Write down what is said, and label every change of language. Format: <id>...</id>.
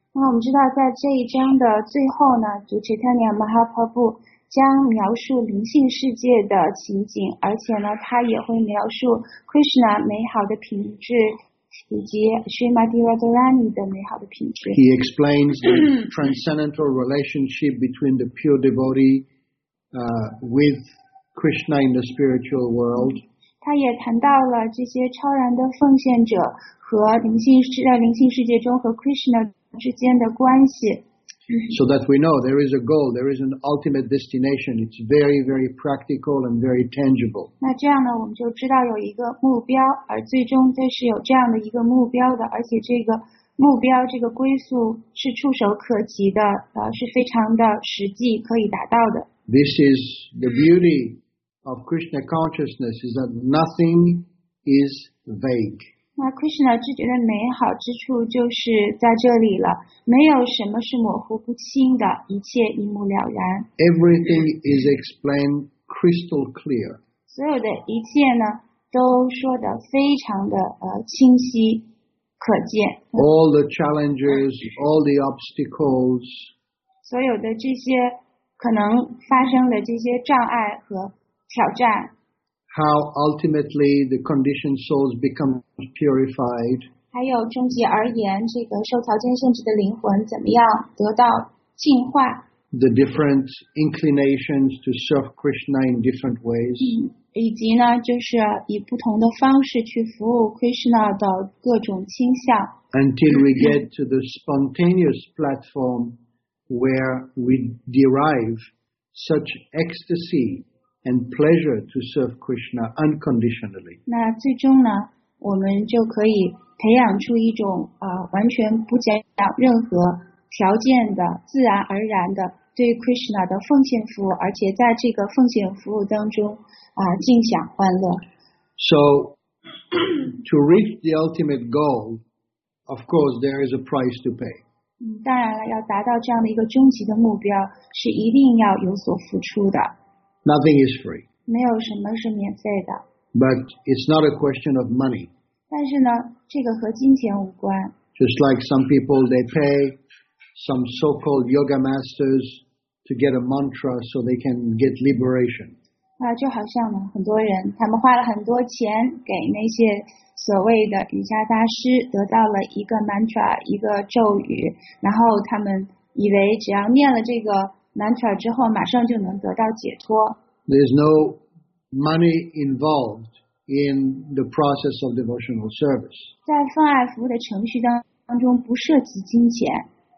<zh>那我们知道在这一章的最后呢，主 Chaitanya Mahaprabhu将描述灵性世界的情景，而且呢，他也会描述 Krishna 美好的品质，以及 Srimati Radharani 的美好的品质。</zh> <en>He explains the transcendental relationship between the pure devotee, with Krishna in the spiritual world.</en> <zh>他也谈到了这些超然的奉献者和灵性世在灵性世界中和 Krishna 之间的关系。</zh> <en>So that we know there is a goal, there is an ultimate destination. It's very, very practical and very tangible.</en> <zh>那这样呢，我们就知道有一个目标，而最终这是有这样的一个目标的，而且这个目标，这个归宿是触手可及的，是非常的实际可以达到的。</zh> <en>This is the beauty of Krishna consciousness, is that nothing is vague.</en> <zh>那 Krishna 知觉的美好之处就是在这里了，没有什么是模糊不清的，一切一目了然。</zh> <en>Everything is explained crystal clear.</en> <zh>所有的一切呢，都说得非常的清晰可见。</zh> <en>All the challenges, all the obstacles.</en> <zh>所有的这些可能发生的这些障碍和挑战。</zh> <en>How ultimately the conditioned souls become purified.</en> <zh>还有终极而言，这个受条件限制的灵魂怎么样得到净化？</zh> <en>The different inclinations to serve Krishna in different ways.</en> <zh>以及呢，就是以不同的方式去服务 Krishna 的各种倾向。</zh> <en>Until we get to the spontaneous platform where we derive such ecstasy. And pleasure to serve Krishna unconditionally.</en> <zh>那最终呢，我们就可以培养出一种完全不加任何条件的、自然而然的对 Krishna 的奉献服务，而且在这个奉献服务当中尽享欢乐。</zh> <en>So to reach the ultimate goal, of course, there is a price to pay.</en> <zh>当然了，要达到这样的一个终极的目标，是一定要有所付出的。</zh> <en>Nothing is free.</en> <zh>没有什么是免费的。</zh> <en>But it's not a question of money.</en> <zh>但是呢，这个和金钱无关。</zh> <en>Just like some people, they pay some so-called yoga masters to get a mantra so they can get liberation.</en> <zh>就好像呢，很多人他们花了很多钱给那些所谓的瑜伽大师，得到了一个 mantra， 一个咒语，然后他们以为只要念了这个。 Mantra 之后马上就能得到解脱。</zh> <en>There's no money involved in the process of devotional service.</en> <zh>在奉爱服务的程序当中不涉及金钱。</zh>